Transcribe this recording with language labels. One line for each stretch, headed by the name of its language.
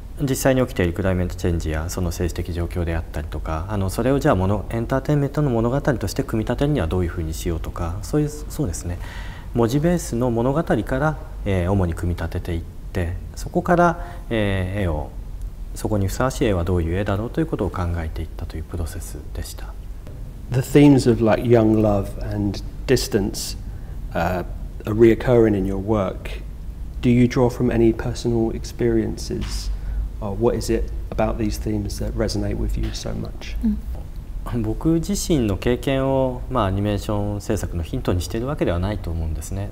Japanese: 実際に起きているクライメートチェンジやその政治的状況であったりとか、それをじゃあエンターテインメントの物語として組み立てるにはどういうふうにしようとか、そういう、そうですね、文字ベースの物語から、主に組み立てていって、そこから、絵を、そこにふさわしい絵はどういう絵だろうということを考えていったというプロセスでした。
English: The themes of like young love and distance are reoccurring in your work. Do you draw from any personal experiences? What is it about these themes that resonate with you so much?
Japanese: 僕自身の経験を、アニメーション制作のヒントにしているわけではないと思うんですね。